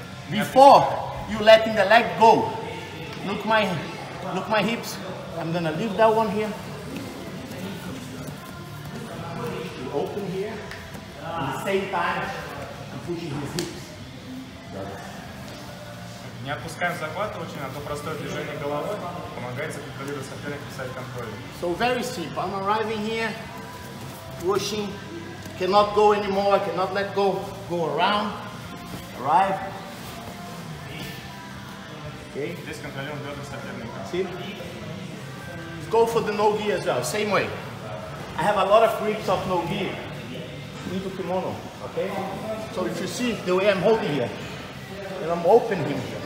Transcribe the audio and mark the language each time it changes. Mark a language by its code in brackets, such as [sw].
[en] Before you letting the leg go, look my hips. I'm gonna leave that one here. You open here. At the same time, I'm pushing his hips. [ru] Не опускаем захват очень, а то простое движение головой помогает контролировать соперника, писать контроль. [en] So very simple. I'm arriving here, pushing, cannot go anymore, I cannot let go, go around, arrive. Okay. [ru] Здесь контролируем бедра соперника. [en] See? Go for the no-gi as well, same way. I have a lot of grips of no-gi into kimono, okay? So if you see the way I'm holding here, and I'm opening him.